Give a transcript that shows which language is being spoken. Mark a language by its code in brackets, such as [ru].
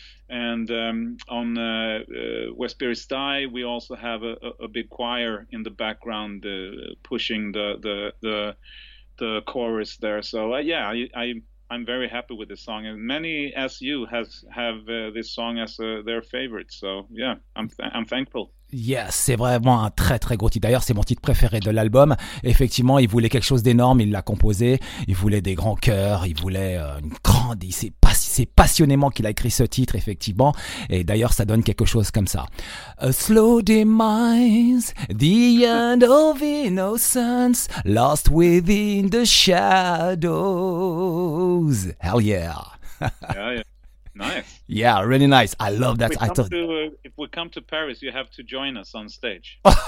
[en] And on Where Spirits Die, we also have a big choir in the background pushing the chorus there. So I'm very happy with this song, and many as you have this song as their favorite. So yeah, I'm thankful. [fr] Yes, c'est vraiment un très très gros titre. D'ailleurs, c'est mon titre préféré de l'album. Effectivement, il voulait quelque chose d'énorme, il l'a composé. Il voulait des grands chœurs, il voulait une grande... C'est passionnément qu'il a écrit ce titre, effectivement. Et d'ailleurs, ça donne quelque chose comme ça. [en] A slow demise, the end of innocence, lost within the shadows. Hell yeah. Nice. Yeah, really nice. I love that. If we come to Paris, you have to join us on stage.